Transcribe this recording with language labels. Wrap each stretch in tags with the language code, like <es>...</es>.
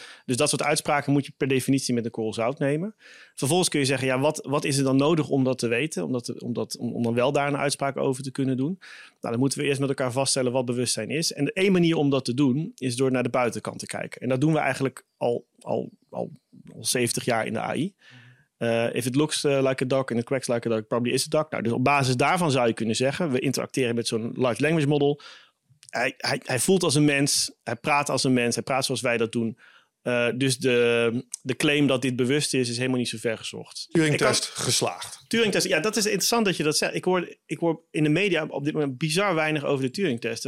<nl>Dus dat soort uitspraken moet je per definitie met een korrel zout nemen. Vervolgens kun je zeggen, ja, wat is er dan nodig om dat te weten? Om dan wel daar een uitspraak over te kunnen doen. Nou, dan moeten we eerst met elkaar vaststellen wat bewustzijn is. En één manier om dat te doen is door naar de buitenkant te kijken. En dat doen we eigenlijk al 70 jaar in de AI.</nl> <en>If it looks like a dog and it quacks like a dog, probably is a dog.</en> <nl>Nou, dus op basis daarvan zou je kunnen zeggen, we interacteren met zo'n large language model. Hij voelt als een mens, hij praat als een mens, hij praat zoals wij dat doen. Dus de claim dat dit bewust is helemaal niet zo ver gezocht. Turing-test geslaagd. Turing-test, ja, dat is interessant dat je dat zegt. Ik hoor in de media op dit moment bizar weinig over de Turing-test.</nl>